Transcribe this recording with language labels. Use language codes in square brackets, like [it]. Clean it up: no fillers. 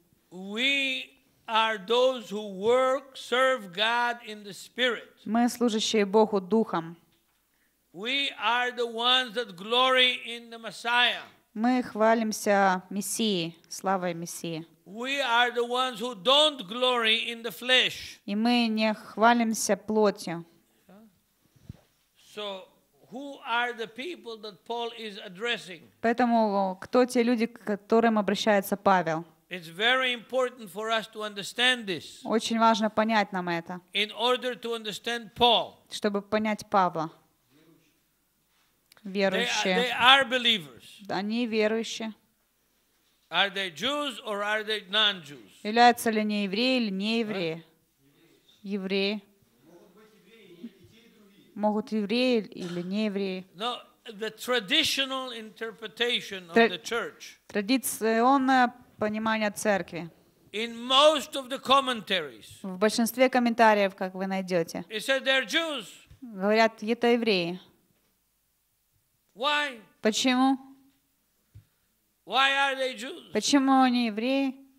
[en] We are those who work, serve God in the Spirit. [ru] Мы служащие Богу духом. [en] We are the ones that glory in the Messiah. [ru] Мы хвалимся Мессией, славой Мессии. [en] We are the ones who don't glory in the flesh. [ru] И мы не хвалимся плотью. [en] So, who are the people that Paul is addressing? [ru] Поэтому кто те люди, к которым обращается Павел? [en] It's very important for us to understand this. [ru] Очень важно понять нам это. [en] In order to understand Paul. [ru] Чтобы понять Павла. Верующие. [en] They are believers. [ru] Они верующие. [en] Are they Jews or are they non-Jews? [ru] Являются ли они евреи или не евреи? Huh? Евреи. Могут быть евреи или те, и другие. Могут евреи или не евреи. [en] No, the traditional interpretation of the church. [ru] Традиционное понимание церкви. [en] In most of the commentaries. [ru] В большинстве комментариев, как вы найдете. [en] It said they're Jews. [ru] Говорят, это евреи. [en] Why? [ru] Почему? [en] Why are they Jews? [ru] Почему они евреи?